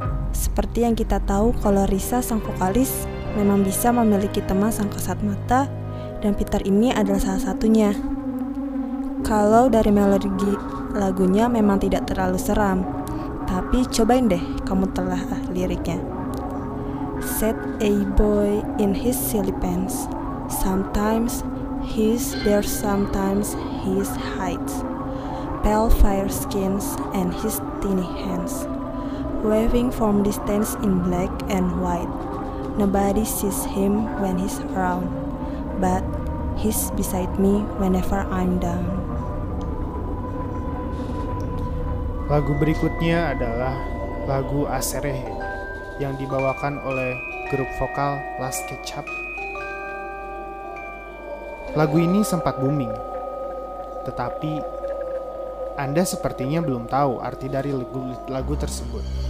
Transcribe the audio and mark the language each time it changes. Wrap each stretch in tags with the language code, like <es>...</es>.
<id>Seperti yang kita tahu kalau Risa sang vokalis memang bisa memiliki teman sang kasat mata, dan Peter ini adalah salah satunya. Kalau dari melodi lagunya memang tidak terlalu seram, tapi cobain deh kamu telah liriknya.</id> <en>Said a boy in his silly pants, sometimes he's there, sometimes he's hides, pale fire skins and his tiny hands, waving from distance in black and white. Nobody sees him when he's around, but he's beside me whenever I'm down.</en> <id>Lagu berikutnya adalah lagu Aserehe yang dibawakan oleh grup vokal Last Ketchup. Lagu ini sempat booming, tetapi Anda sepertinya belum tahu arti dari lagu tersebut.</id>